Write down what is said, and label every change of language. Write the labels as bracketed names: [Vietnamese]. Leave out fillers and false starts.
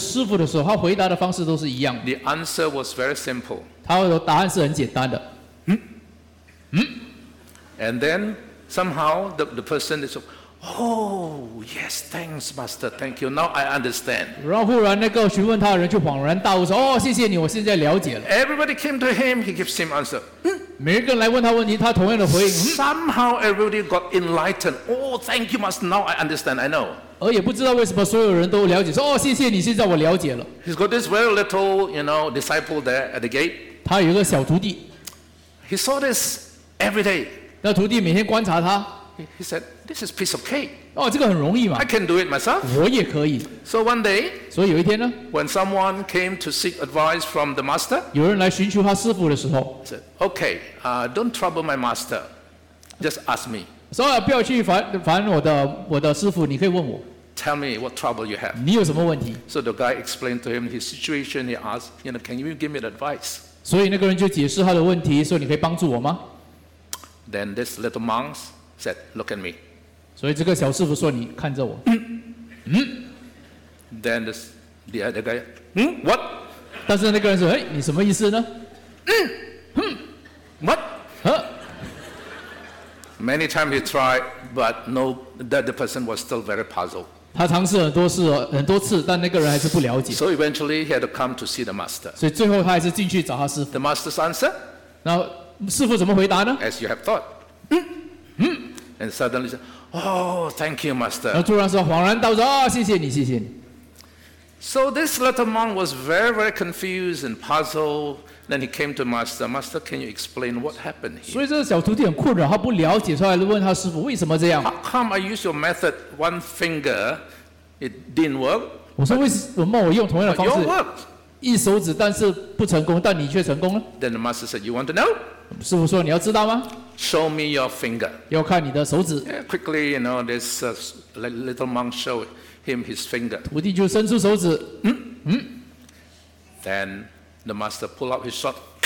[Chinese] 当有些人很多困扰的问题来问这师父的时候，他回答的方式都是一样的。 [English] The answer was very simple. [Chinese] 他的答案是很简单的。 [English] And then somehow the person is, oh yes, thanks, Master, thank you. Now I understand. [Chinese] 然后忽然那个询问他的人就恍然大悟说，哦，谢谢你，我现在了解了。 [English] Everybody came to him, he gives him answer. [Chinese] 每一个人来问他问题，他同样的回应。 [English] Somehow everybody got enlightened. Oh, thank you, Master. Now I understand. I know. [Chinese] 而也不知道为什么所有人都了解，说，哦，谢谢你，现在我了解了。 [English] He's got this very little, you know, disciple there at the gate. [Chinese] 他有一个小徒弟。 [English] He saw this every day. [Chinese] 那徒弟每天观察他。 [English] He said, "This is a piece of cake." [Chinese] 哦，这个很容易嘛。 [English] I can do it myself. [Chinese] 我也可以。 [English] So one day, [Chinese] 所以有一天呢, [English] when someone came to seek advice from the master, [Chinese] 有人来寻求他师父的时候, [English] said, "Okay, don't trouble my master. Just ask me." [Chinese] 说不要去烦我的师父，你可以问我。 [English] Tell me what trouble you have. [Chinese] 你有什么问题？ [English] So the guy explained to him his situation. He asked, "You know, can you give me advice?" [Chinese] 所以那个人就解释他的问题，说你可以帮助我吗？ [English] Then this little monk said, "Look at me." [Chinese] 所以这个小师傅说：“你看着我。” [English] Then this the other guy, "What?" [Chinese] 但是那个人说：“哎，你什么意思呢？” [English] What? Many times he tried, but no, that the person was still very puzzled. [Chinese] 他尝试很多次，但那个人还是不了解。 [English] So eventually he had to come to see the master. [Chinese] 所以最后他还是进去找他师父。 [English] The master's answer? [Chinese] 然后师父怎么回答呢？ [English] As you have thought. And suddenly said, "Oh, thank you, master." [Chinese] 然后突然说，恍然大悟说，哦，谢谢你，谢谢你。 [English] So this little monk was very, very confused and puzzled. Then he came to master. Master, can you explain what happened here? [Chinese] 所以这个小徒弟很困扰，他不了解，所以来问他师父为什么这样。 [English] How come I use your method one finger, it didn't work? [Chinese] 我说为什么我用同样的方式？一手指，但是不成功，但你却成功了。 [English] Then the master said, "You want to know?" [Chinese] 师父说，你要知道吗？ [English] Show me your finger. [Chinese] 要看你的手指。 [English] Yeah, quickly, you know, this little monk showed him his finger. [Chinese] 徒弟就伸出手指。 [English] Then the master pulled out his sword.